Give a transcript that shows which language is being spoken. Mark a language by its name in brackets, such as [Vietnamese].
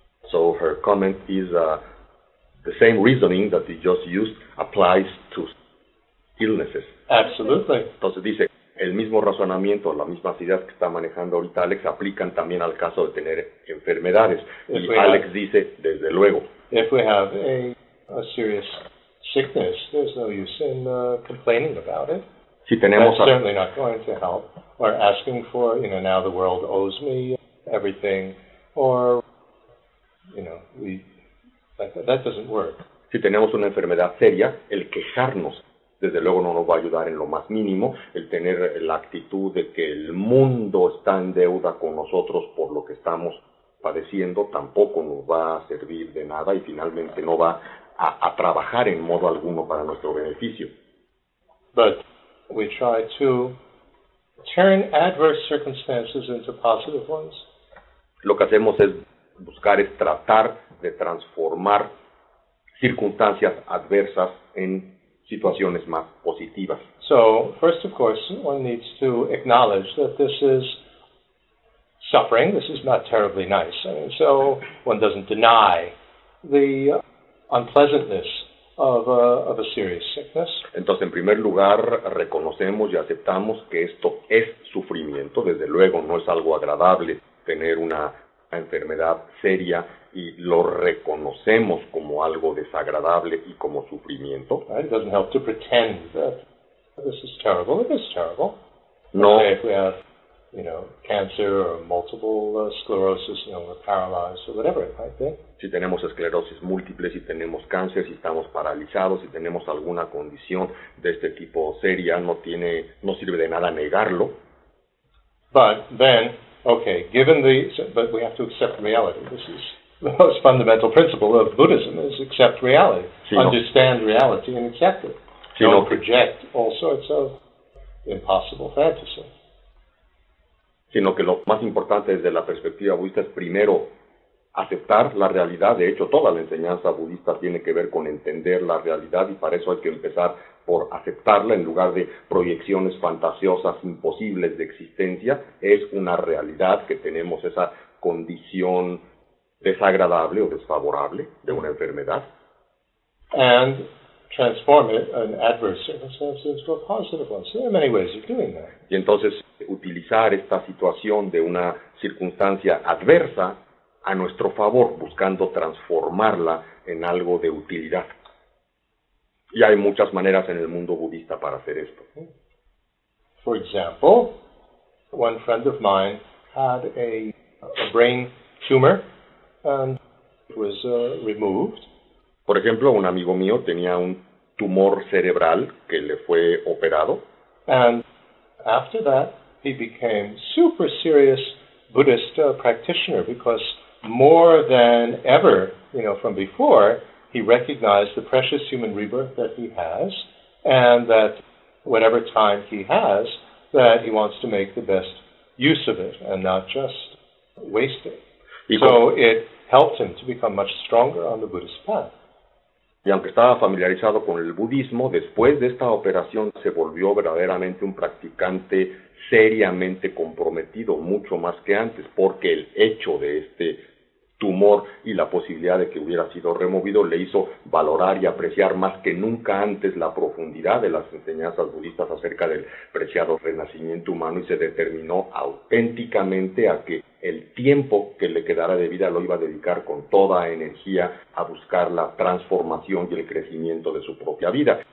[English] So her comment is the same reasoning that you just used applies to illnesses. Absolutely. [Spanish] Entonces dice, el mismo razonamiento, las mismas ideas que está manejando ahorita Alex aplican también al caso de tener enfermedades. [English] If [Spanish] y Alex have, dice, desde luego. [English] If we have a serious sickness, there's no use in complaining about it. [Spanish] Si tenemos [English] That's certainly not going to help. Or asking for, you know, now the world owes me everything. Or, you know, that doesn't work. [Spanish] Si tenemos una enfermedad seria, el quejarnos, desde luego no nos va a ayudar en lo más mínimo. El tener la actitud de que el mundo está en deuda con nosotros por lo que estamos padeciendo, tampoco nos va a servir de nada y finalmente no va a trabajar en modo alguno para nuestro beneficio. [English] But we try to turn adverse circumstances into positive ones. [Spanish] Lo que hacemos es buscar, es tratar de transformar circunstancias adversas en situaciones más positivas. [English] So, first of course, one needs to acknowledge that this is suffering. This is not terribly nice. I mean, so, one doesn't deny the unpleasantness of a serious sickness. [Spanish] Entonces, en primer lugar, reconocemos y aceptamos que esto es sufrimiento. Desde luego, no es algo agradable tener una enfermedad seria y lo reconocemos como algo desagradable y como sufrimiento. [English] It doesn't help to pretend that this is terrible. It is terrible. No. Okay, if we have, you know, cancer or multiple sclerosis, you know, we're paralyzed or whatever it might be. [Spanish] Si tenemos esclerosis múltiple, si tenemos cáncer, si estamos paralizados, si tenemos alguna condición de este tipo seria, no sirve de nada negarlo. [English] But then, okay, but we have to accept reality. This is the most fundamental principle of Buddhism, is accept reality. [Spanish] Sino, [English] understand reality and accept it. [Spanish] Sino, [English] don't project all sorts of impossible fantasy. [Spanish] Sino que lo más importante desde la perspectiva budista es primero aceptar la realidad. De hecho, toda la enseñanza budista tiene que ver con entender la realidad y para eso hay que empezar por aceptarla en lugar de proyecciones fantasiosas imposibles de existencia. Es una realidad que tenemos esa condición desagradable o desfavorable de una enfermedad. [English] And transform it in adverse circumstances to a positive one. So there are many ways of doing that. [Spanish] Y entonces utilizar esta situación de una circunstancia adversa a nuestro favor, buscando transformarla en algo de utilidad. Y hay muchas maneras en el mundo budista para hacer esto. [English] For example, one friend of mine had a brain tumor and it was removed. [Spanish] Por ejemplo, un amigo mío tenía un tumor cerebral que le fue operado. [English] And after that, he became super serious Buddhist practitioner because more than ever, you know, from before, he recognized the precious human rebirth that he has and that whatever time he has, that he wants to make the best use of it and not just waste it. So it helped him to become much stronger on the Buddhist path. [Spanish] Y aunque estaba familiarizado con el budismo, después de esta operación se volvió verdaderamente un practicante seriamente comprometido, mucho más que antes, porque el hecho de este tumor y la posibilidad de que hubiera sido removido le hizo valorar y apreciar más que nunca antes la profundidad de las enseñanzas budistas acerca del preciado renacimiento humano y se determinó auténticamente a que el tiempo que le quedara de vida lo iba a dedicar con toda energía a buscar la transformación y el crecimiento de su propia vida.